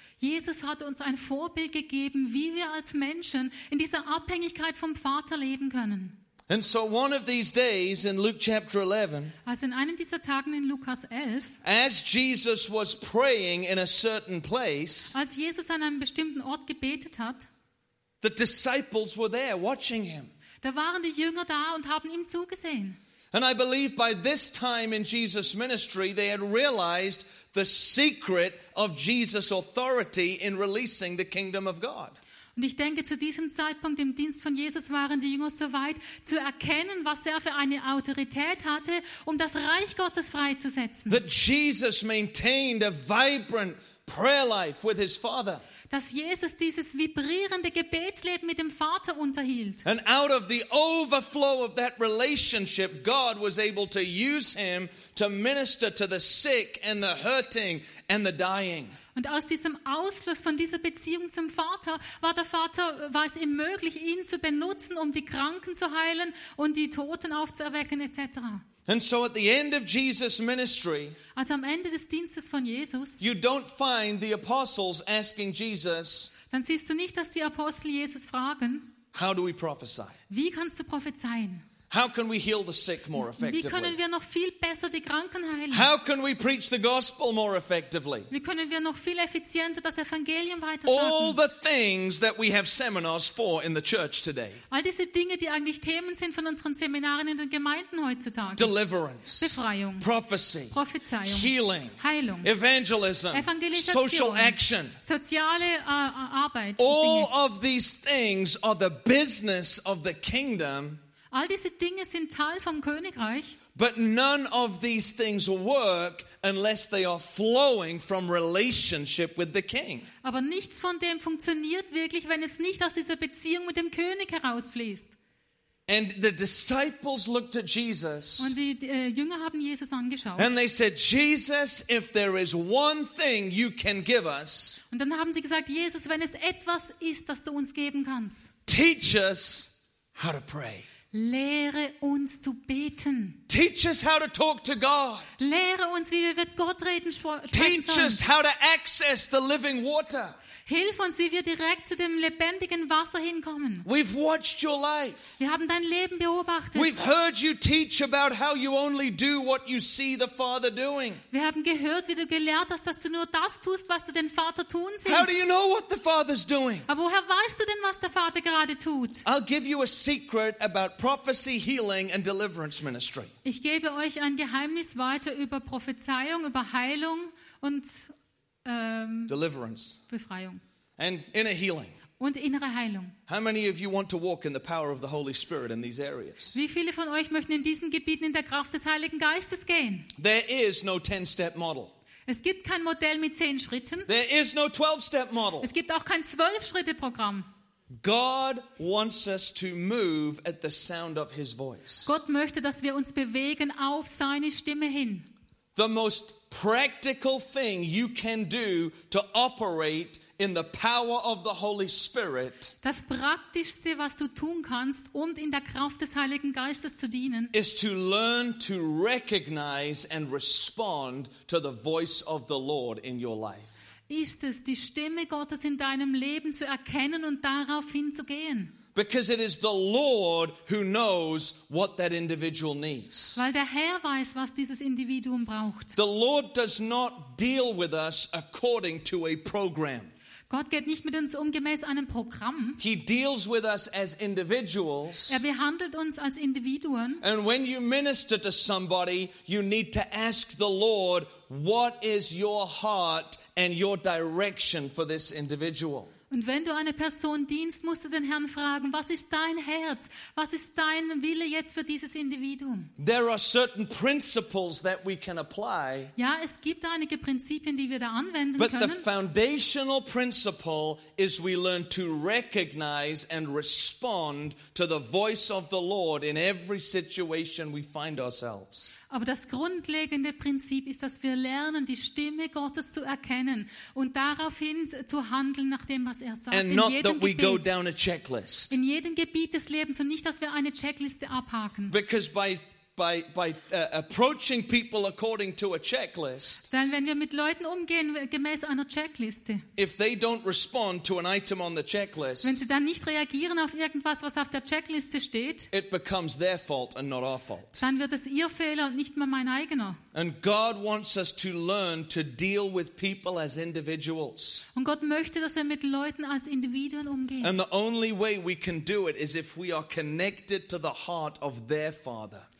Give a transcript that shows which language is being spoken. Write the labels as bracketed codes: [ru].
[de] Jesus hat uns ein Vorbild gegeben, wie wir als Menschen in dieser Abhängigkeit vom Vater leben können. [en] And so one of these days in Luke chapter 11, [de] also in einem dieser Tagen in Lukas 11, [en] as Jesus was praying in a certain place, [de] als Jesus an einem bestimmten Ort gebetet hat, [en] the disciples were there watching him. [de] Da waren die Jünger da und haben ihm zugesehen. [en] And I believe by this time in Jesus' ministry, they had realized the secret of Jesus' authority in releasing the kingdom of God. [de] Und ich denke, zu diesem Zeitpunkt im Dienst von Jesus waren die Jünger so weit, zu erkennen, was er für eine Autorität hatte, um das Reich Gottes freizusetzen. [en] That Jesus maintained a vibrant prayer life with his Father. [de] Dass Jesus dieses vibrierende Gebetsleben mit dem Vater unterhielt. [en] And out of the overflow of that relationship, God was able to use him to minister to the sick and the hurting and the dying. [de] Und aus diesem Ausfluss von dieser Beziehung zum Vater war es ihm möglich, ihn zu benutzen, um die Kranken zu heilen und die Toten aufzuerwecken, etc. [en] And so at the end of Jesus' ministry, [de] also am Ende des Dienstes von Jesus, [en] you don't find the apostles asking Jesus, [de] dann siehst du nicht, dass die Apostel Jesus fragen, [en] how do we prophesy? [de] Wie kannst du prophezeien? [en] How can we heal the sick more effectively? [de] Wie können wir noch viel besser die Kranken heilen? [en] How can we preach the gospel more effectively? [de] Wie können wir noch viel effizienter das Evangelium weitersagen? [en] All the things that we have seminars for in the church today. [de] All diese Dinge, die eigentlich Themen sind von unseren Seminaren in den Gemeinden heutzutage. [en] Deliverance. [de] Befreiung. [en] Prophecy. [de] Prophezeiung. [en] Healing. [de] Heilung. [en] Evangelism. [de] Evangelisation. [en] Social action. [de] Soziale Arbeit. [en] All of these things are the business of the kingdom. [de] All diese Dinge sind Teil vom Königreich. [en] But none of these things work unless they are flowing from relationship with the king. [de] Aber nichts von dem funktioniert wirklich, wenn es nicht aus dieser Beziehung mit dem König herausfließt. [en] And the disciples looked at Jesus. [de] Und die Jünger haben Jesus angeschaut. [en] And they said, Jesus, if there is one thing you can give us. [de] Und dann haben sie gesagt, Jesus, wenn es etwas ist, das du uns geben kannst. [en] Teach us how to pray. [de] Lehre uns zu beten. [en] Teach us how to talk to God. [de] Lehre uns, wie wir mit Gott reden. [en] Teach us how to access the living water. [de] Hilf uns, wie wir direkt zu dem lebendigen Wasser hinkommen. [en] We've watched your life. [de] Wir haben dein Leben beobachtet. [en] We've heard you teach about how you only do what you see the Father doing. [de] Wir haben gehört, wie du gelehrt hast, dass du nur das tust, was du den Vater tun siehst. [en] How do you know what the Father's doing? [de] Aber woher weißt du denn, was der Vater gerade tut? [en] I'll give you a secret about prophecy, healing and deliverance ministry. [de] Ich gebe euch ein Geheimnis weiter über Prophezeiung, über Heilung und [en] deliverance. [de] Befreiung. [en] And inner healing. [de] Und innere Heilung. [en] How many of you want to walk in the power of the Holy Spirit in these areas? [de] Wie viele von euch möchten in diesen Gebieten in der Kraft des Heiligen Geistes gehen? [en] There is no 10-step model. [de] Es gibt kein Modell mit 10 Schritten. [en] There is no 12-step model. [de] Es gibt auch kein 12-Schritte-Programm. [en] God wants us to move at the sound of his voice. [de] Gott möchte, dass wir uns bewegen auf seine Stimme hin. [en] The most practical thing you can do to operate in the power of the Holy Spirit. [de] Das praktischste, was du tun kannst, um in der Kraft des Heiligen Geistes zu dienen, [en] is to learn to recognize and respond to the voice of the Lord in your life. [de] Ist es, die Stimme Gottes in deinem Leben zu erkennen und darauf hinzugehen. [en] Because it is the Lord who knows what that individual needs. [de] Weil der Herr weiß, was dieses Individuum braucht. [en] The Lord does not deal with us according to a program. [de] Gott geht nicht mit uns um gemäß einem Programm. [en] He deals with us as individuals. [de] Er behandelt uns als Individuen. [en] And when you minister to somebody, you need to ask the Lord, what is your heart and your direction for this individual? [de] Und wenn du eine Person dienst, musst du den Herrn fragen, was ist dein Herz? Was ist dein Wille jetzt für dieses Individuum? [en] There are certain principles that we can apply. [de] Ja, es gibt einige Prinzipien, die wir da anwenden können. [en] But the foundational principle is we learn to recognize and respond to the voice of the Lord in every situation we find ourselves. [de] Aber das grundlegende Prinzip ist, dass wir lernen, die Stimme Gottes zu erkennen und daraufhin zu handeln, nach dem, was er sagt. [en] And [de] in [en] not [de] jedem [en] that [de] Gebiet, [en] we go down a checklist. [de] In jedem Gebiet des Lebens und nicht, dass wir eine Checkliste abhaken. [en] Because by approaching people according to a checklist. [de] Denn wenn wir mit Leuten umgehen gemäß einer Checkliste. [en] If they don't respond to an item on the checklist. [de] Wenn sie dann nicht reagieren auf irgendwas, was auf der Checkliste steht. [en] It becomes their fault and not our fault. [de] Dann wird es ihr Fehler und nicht mehr mein eigener. [en] And God wants us to learn to deal with people as individuals. [de] Und Gott möchte, dass wir mit Leuten als Individuen umgehen. [en] And the only way we can do it is if we are connected to the heart of their Father.